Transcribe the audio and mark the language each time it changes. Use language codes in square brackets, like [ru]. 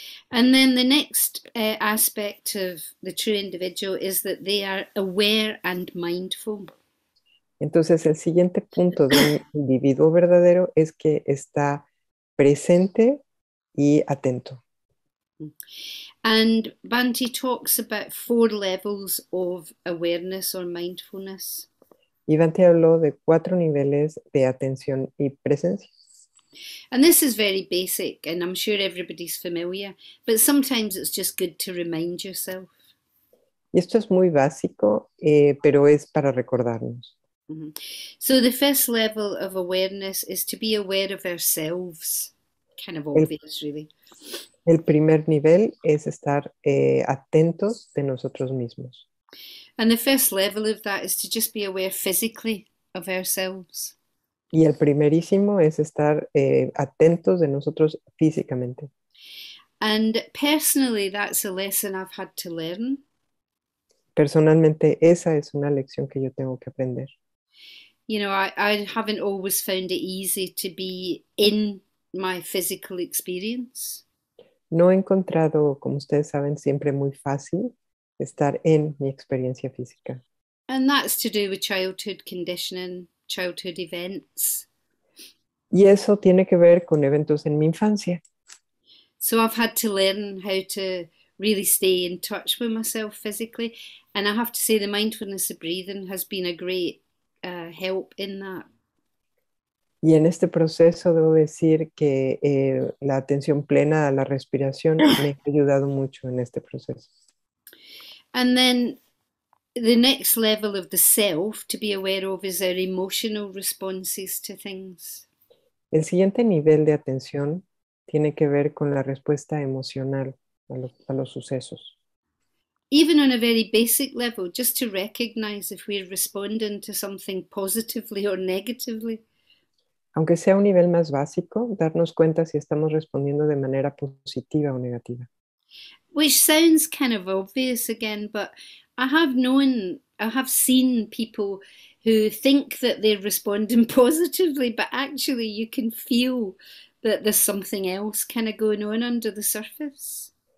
[en] And then the next aspect of the true individual is that they are aware and mindful. [es] Entonces, el siguiente punto de un individuo verdadero es que está presente y atento. [en] And Bhante talks about four levels of awareness or mindfulness. [es] Iván te habló de cuatro niveles de atención y presencia. [en] And this is very basic, and I'm sure everybody's familiar, but sometimes it's just good to remind yourself. [es] Esto es muy básico, pero es para recordarnos. [en] So the first level of awareness is to be aware of ourselves. Kind of obvious, really. [es] El primer nivel es estar atentos de nosotros mismos. [en] And the first level of that is to just be aware physically of ourselves. [es] Y el primerísimo es estar atentos de nosotros físicamente. [en] And personally, that's a lesson I've had to learn. [es] Personalmente, esa es una lección que yo tengo que aprender. [en] I haven't always found it easy to be in my physical experience. [es] No he encontrado, como ustedes saben, siempre muy fácil estar en mi experiencia física. [en] And that's to do with childhood conditioning, childhood events. [es] Y eso tiene que ver con eventos en mi infancia. [en] So I've had to learn how to really stay in touch with myself physically, and I have to say the mindfulness of breathing has been a great help in that. [es] Y en este proceso debo decir que la atención plena a la respiración me ha ayudado mucho en este proceso. [en] And then the next level of the self to be aware of is our emotional responses to things. [es] El siguiente nivel de atención tiene que ver con la respuesta emocional a los sucesos. [en] Even on a very basic level, just to recognize if we're responding to something positively or negatively. [es] Aunque sea un nivel más básico, darnos cuenta si estamos respondiendo de manera positiva o negativa. [en] Which sounds kind of obvious again, but I have seen people who think that they're responding positively, but actually you can feel that there's something else kind of going on under the surface.